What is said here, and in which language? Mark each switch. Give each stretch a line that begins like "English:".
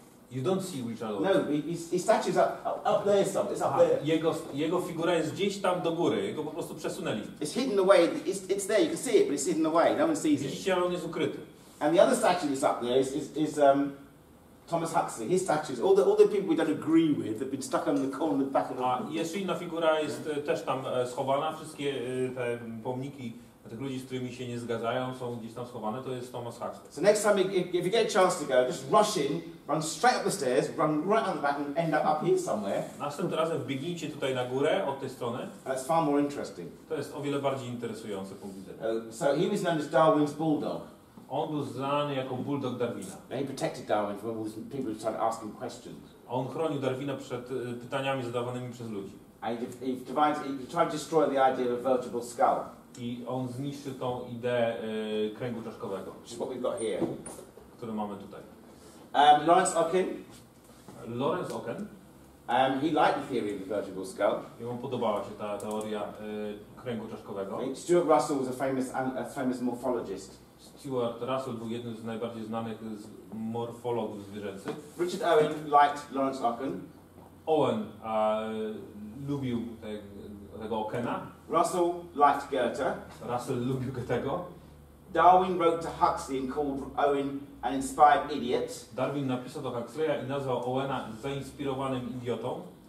English: You don't see Richard Owen. No, his statue's up there somewhere. It's up there.
Polish: Jego figura jest gdzieś tam do góry. Jego po prostu przesunęli.
English: It's hidden away. It's there. You can see it, but it's hidden away. No one sees it.
Polish: Widzicie, on jest ukryty.
English: And the other statue that's up there is Thomas Huxley. His statues, all the people we don't agree with, have been stuck on the corner, the back of the.
Polish: A jeszcze inna figura jest też tam schowana. Wszystkie te pomniki tych ludzi, z którymi się nie zgadzają, są gdzieś tam schowane. To jest Thomas Huxley.
English: So next time, if you get a chance to go, just rush in, run straight up the stairs, run right out the back, and end up here somewhere.
Polish: Następnym razem wbiegnijcie tutaj na górę od tej strony.
English: That's far more interesting.
Polish: To jest o wiele bardziej interesujące punkt widzenia.
English: So he was known as Darwin's bulldog.
Polish: On był znany jako bulldog Darwina.
English: He protected Darwin from all these people who started asking questions.
Polish: On chronił Darwina przed pytaniami zadawanymi przez ludzi.
English: And he tried to destroy the idea of a vertebral skull.
Polish: I on zniszczy tą ideę kręgu czaszkowego.
English: Which is what we've got here.
Polish: Który mamy tutaj.
English: Lawrence Oken.
Polish: Lawrence Oken.
English: He liked the theory of the vertebral skull.
Polish: I mu podobała się ta teoria kręgu czaszkowego.
English: Stuart Russell was a famous morphologist.
Polish: Stuart Russell był jednym z najbardziej znanych z morfologów zwierzęcych.
English: Richard Owen liked Lawrence Oken.
Polish: Owen lubił tego Okena.
English: Russell liked Goethe.
Polish: Russell lubił Goethego.
English: Darwin wrote to Huxley and called Owen an inspired idiot.
Polish: Darwin napisał do Huxleya i nazwał Owena zainspirowanym idiotą.